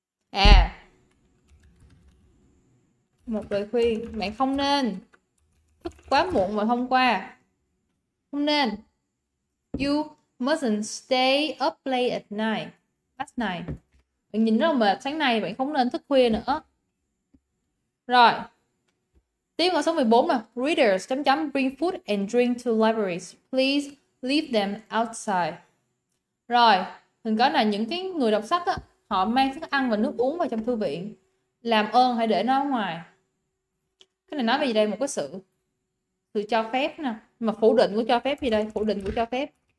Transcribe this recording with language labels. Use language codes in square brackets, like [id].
[vi] À, một lời khuyên, bạn không nên thức quá muộn vào hôm qua, không nên. [en] You mustn't stay up late at night. Last night. [vi] Bạn nhìn rất là mệt. Sáng nay bạn không nên thức khuya nữa. Rồi. Tiếp vào số 14 nè. [en] Readers [vi] chấm chấm [en] bring food and drink to libraries. Please leave them outside. [vi] Rồi. Mình có là những cái người đọc sách á, họ mang thức ăn và nước uống vào trong thư viện. Làm ơn hãy để nó ở ngoài. Cái này nói về gì đây? Một cái sự cho phép nè. Mà phủ định của cho phép gì đây? Phủ định của cho phép.